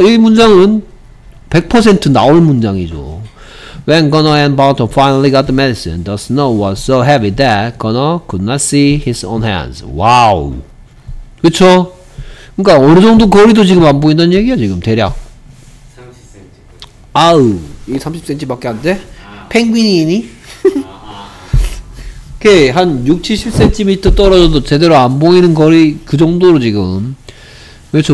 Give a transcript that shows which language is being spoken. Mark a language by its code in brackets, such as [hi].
[ko] 이 문장은 100% 나올 문장이죠. [en] When Connor and Barton finally got the medicine, the snow was so heavy that Connor could not see his own hands. [ko] 와우. 그쵸? 그니까 어느 정도 거리도 지금 안 보인다는 얘기야 지금 대략. 30cm. 아우. 이게 30cm밖에 안 돼? 아. 펭귄이니? 오케이. 한 60-70cm 떨어져도 제대로 안 보이는 거리 그 정도로 지금. 그렇죠.